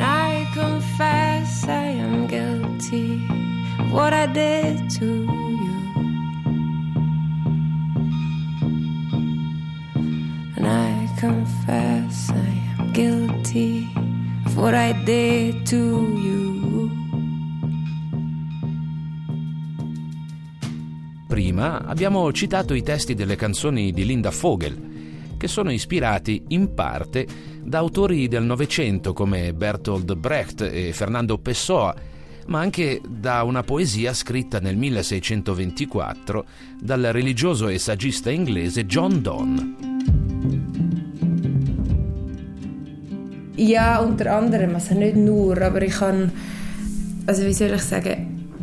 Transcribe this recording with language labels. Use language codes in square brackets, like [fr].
[en] I confess I am guilty of what I did to you. And I confess I am guilty of what I did to you. [it] Prima abbiamo citato i testi delle canzoni di Linda Vogel, che sono ispirati in parte da autori del Novecento come Bertolt Brecht e Fernando Pessoa, ma anche da una poesia scritta nel 1624 dal religioso e saggista inglese John Donne. [de] Ja, unter anderem, also nicht nur, aber ich kann, also wie soll ich sagen,